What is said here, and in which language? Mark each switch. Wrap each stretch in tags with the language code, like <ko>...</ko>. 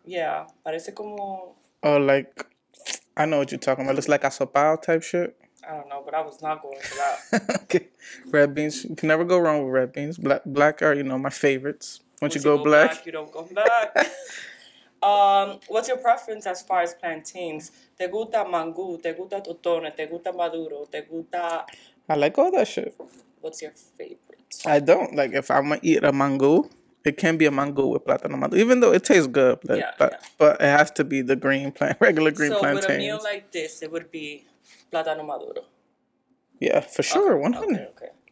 <es>Yeah, parece como.</es> <en>Oh, like, I know what you're talking about. It's like a sopao type shit. I don't know, but I was not going for that. Okay, red beans. You can never go wrong with red beans. Black are, my favorites. Once you go black, you don't go black. what's your preference as far as plantains?</en> <es>Te gusta mango, te gusta totone, te gusta maduro, te gusta...</es> <en>I like all that shit. What's your favorite? I don't. Like, if I'm going to eat a mango, it can be a mango with plátano maduro, even though it tastes good, but it has to be the regular green plantains. So, with a meal like this, it would be plátano maduro? Yeah, for sure, okay. 100. Okay.</en>